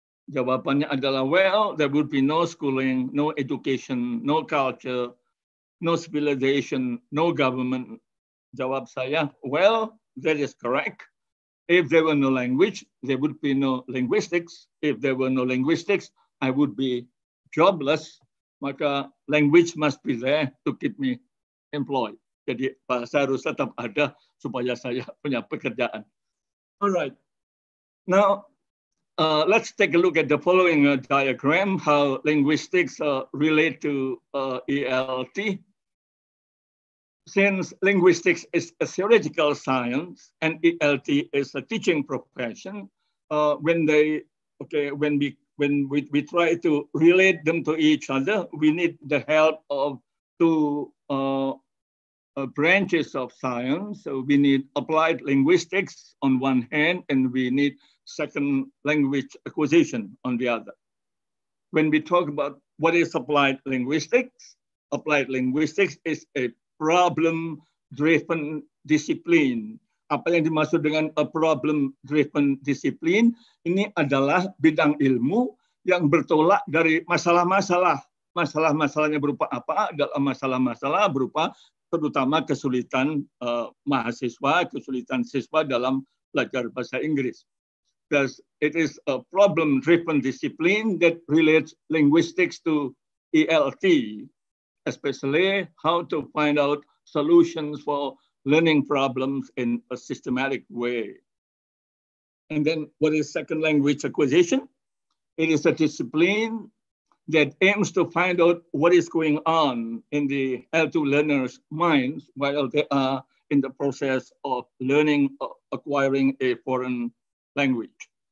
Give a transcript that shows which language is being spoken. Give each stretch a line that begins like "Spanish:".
Indonesian: Jawabannya adalah,
English: well, there would be no schooling, no education, no culture, no civilization, no government.
Indonesian: Jawab saya,
English: well, that is correct. If there were no language, there would be no linguistics. If there were no linguistics, I would be jobless. Maka language must be there to keep me employed.
Indonesian: Jadi bahasa harus tetap ada supaya saya punya pekerjaan.
English: All right. Now, let's take a look at the following diagram, how linguistics relate to ELT. Since linguistics is a theoretical science and ELT is a teaching profession, when we try to relate them to each other, we need the help of two branches of science. So we need applied linguistics on one hand, and we need second language acquisition on the other. When we talk about what is applied linguistics is a problem-driven discipline.
Indonesian: Apa yang dimaksud dengan
English: a problem-driven discipline?
Indonesian: Ini adalah bidang ilmu yang bertolak dari masalah-masalah. Masalah-masalahnya berupa apa? Dalam masalah-masalah berupa terutama kesulitan mahasiswa, kesulitan siswa dalam belajar bahasa Inggris.
English: Because it is a problem-driven discipline that relates linguistics to ELT, especially how to find out solutions for learning problems in a systematic way. And then what is second language acquisition? It is a discipline that aims to find out what is going on in the L2 learners' minds while they are in the process of learning or acquiring a foreign language.